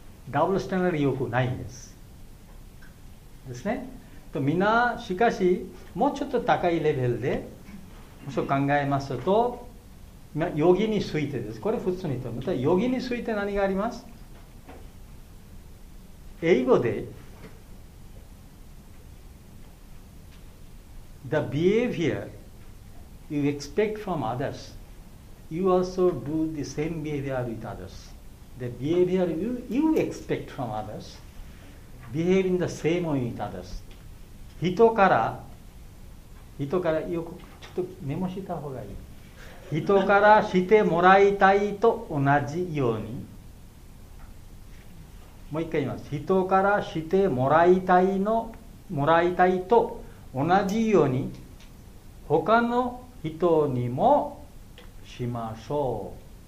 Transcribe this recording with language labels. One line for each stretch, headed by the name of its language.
Japanese: ダブルスタンダードよくないんです。ですね。と皆、しかしもうちょっと高いレベルでもし考えますと、ヨギについてです。これ普通にと、またヨギについて何があります。
English: 英語で The behavior you expect from others, you also do the same behavior with others. The behavior you expect from others, behave in the same way with others.
Japanese: 人からよくちょっとメモした方がいい。人からしてもらいたいと同じように、もう一回言います。人からしてもらいたいの、もらいたいと同じように他の人にもしましょう。